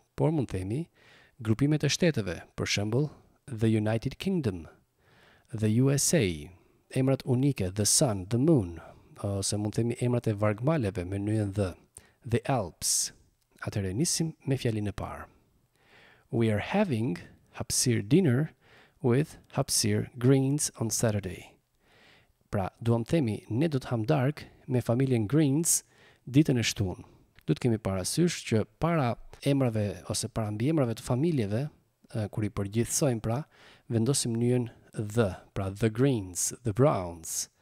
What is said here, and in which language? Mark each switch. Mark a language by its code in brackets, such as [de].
[sq] Por mund themi grupimet e shteteve, për shembull, the United Kingdom, the USA, emrat unike, [en] the sun, the moon, [sq] ose mund themi emrat e vargmaleve me nyjen dhe, the Alps. Atëherë nisim me fjalin e parë. [en] We are having hapsir dinner with hapsir greens on Saturday. [sq] Pra, duam themi, ne do të ham dark me familjen Greens ditën e shtunë. Do të kemi parasysh që para emrave ose para mbiemrave të familjeve, kur I përgjithsojmë pra, vendosim nyjen the, pra the Greens, the Browns.